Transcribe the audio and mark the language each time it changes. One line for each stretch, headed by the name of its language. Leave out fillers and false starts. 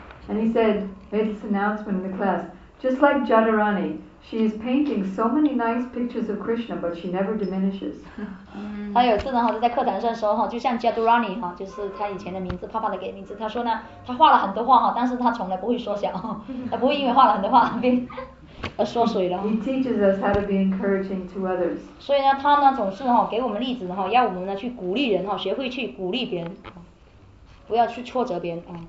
English: And he said, made this announcement in the class, just like Jadarani, she is painting so many nice pictures of Krishna, but she never diminishes.
Chinese: 他有次呢就在课堂上的时候就像 Jadarani 就是他以前的名字，帕帕的给名字，他说呢他画了很多画，但是他从来不会缩小，他不会因为画了很多画而缩水了。
English: He teaches us how to be encouraging to others.
Chinese: 所以呢他呢总是给我们例子，要我们呢去鼓励人，学会去鼓励别人，不要去挫折别人。